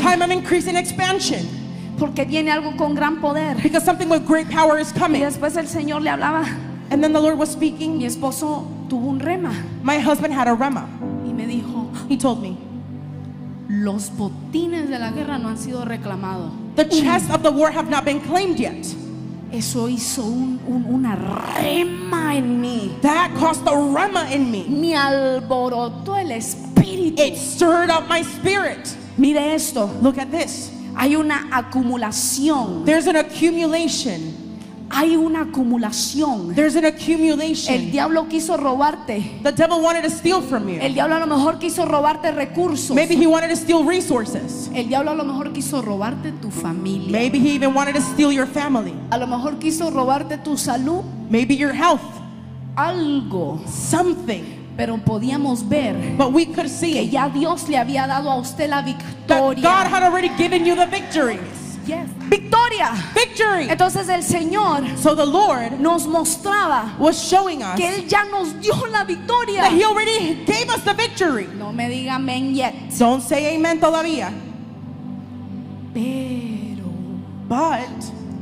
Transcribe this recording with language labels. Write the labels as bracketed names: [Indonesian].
[English] Time of increase and expansion. [Spanish] Porque viene algo con gran poder. [English] Because something with great power is coming. [Spanish] Y después el Señor le hablaba. [English] And then the Lord was speaking. [Spanish] Mi esposo tuvo un rema. [English] My husband had a rema. [Spanish] Y me dijo. [English] He told me. [Spanish] Los botines de la guerra no han sido reclamados. [English] The chests of the war have not been claimed yet. [Spanish] Eso hizo una rema en mí. [English] That caused a rema in me. [Spanish] Me alborotó el espíritu. [English] It stirred up my spirit. [Spanish] Mire esto. [English] Look at this. [Spanish] Hay una acumulación. [English] There's an accumulation. [Spanish] Hay una acumulación. [English] There's an accumulation. [Spanish] El diablo quiso robarte. [English] The devil wanted to steal from you. [Spanish] El diablo a lo mejor quiso robarte recursos. [English] Maybe he wanted to steal resources. [Spanish] El diablo a lo mejor quiso robarte tu familia. [English] Maybe he even wanted to steal your family. [Spanish] A lo mejor quiso robarte tu salud. [English] Maybe your health. [Spanish] Algo. [English] Something. [Spanish] Pero podíamos ver que ya Dios le había dado a usted la victoria. [English] That God had already given you the victory. [Spanish] Yes. Victoria. [English] Victory. [Spanish] Entonces el Señor nos mostraba que él ya nos dio la victoria. [English] That he already gave us the victory. [Spanish] No me diga amén yet. [English] Don't say amen todavía. [Spanish] Pero [English] but